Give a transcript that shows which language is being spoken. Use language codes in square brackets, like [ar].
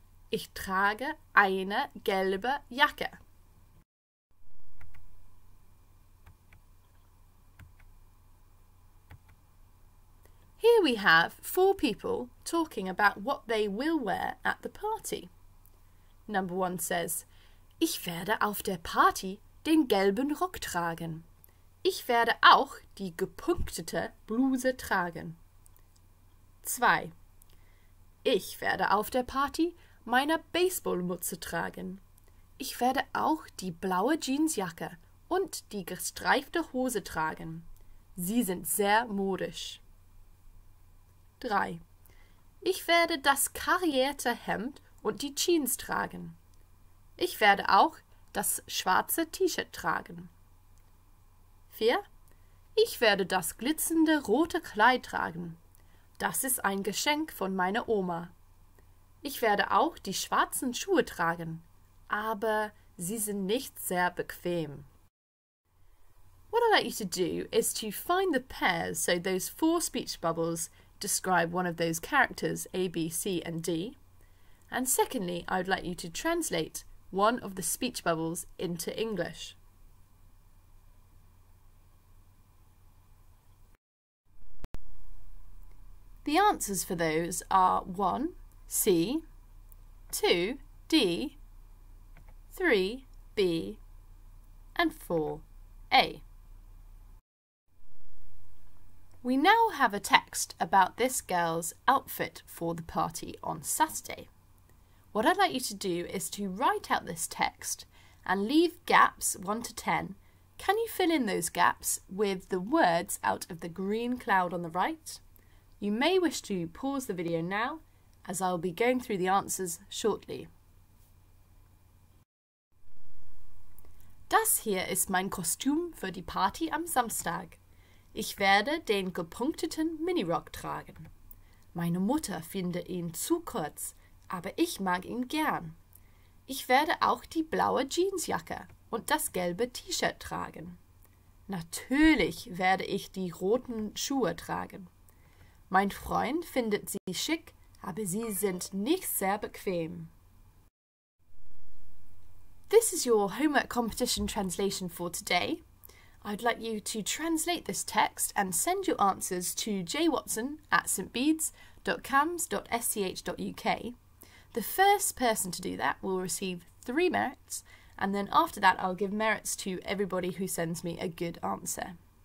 [de] Ich trage eine gelbe Jacke. [en] Here we have four people talking about what they will wear at the party. Number one says, [de] Ich werde auf der Party den gelben Rock tragen. Ich werde auch die gepunktete Bluse tragen. Zwei. Ich werde auf der Party meine Baseballmütze tragen. Ich werde auch die blaue Jeansjacke und die gestreifte Hose tragen. Sie sind sehr modisch. 3. Ich werde das karierte Hemd und die Jeans tragen. Ich werde auch das schwarze T-Shirt tragen. 4. Ich werde das glitzernde rote Kleid tragen. Das ist ein Geschenk von meiner Oma. Ich werde auch die schwarzen Schuhe tragen, aber sie sind nicht sehr bequem. [en] What I'd like you to do is to find the pairs, so those four speech bubbles describe one of those characters, A, B, C, and D. And secondly, I'd like you to translate one of the speech bubbles into English. The answers for those are 1, C, 2, D, 3, B, and 4, A. We now have a text about this girl's outfit for the party on Saturday. What I'd like you to do is to write out this text and leave gaps 1 to 10. Can you fill in those gaps with the words out of the green cloud on the right? You may wish to pause the video now, as I'll be going through the answers shortly. [de] Das hier ist mein Kostüm für die Party am Samstag. Ich werde den gepunkteten Minirock tragen. Meine Mutter finde ihn zu kurz, aber ich mag ihn gern. Ich werde auch die blaue Jeansjacke und das gelbe T-Shirt tragen. Natürlich werde ich die roten Schuhe tragen. Mein Freund findet sie schick, aber sie sind nicht sehr bequem. [en] This is your homework competition translation for today. I'd like you to translate this text and send your answers to jwatson@stbeads.cams.sch.uk. The first person to do that will receive 3 merits, and then after that I'll give merits to everybody who sends me a good answer.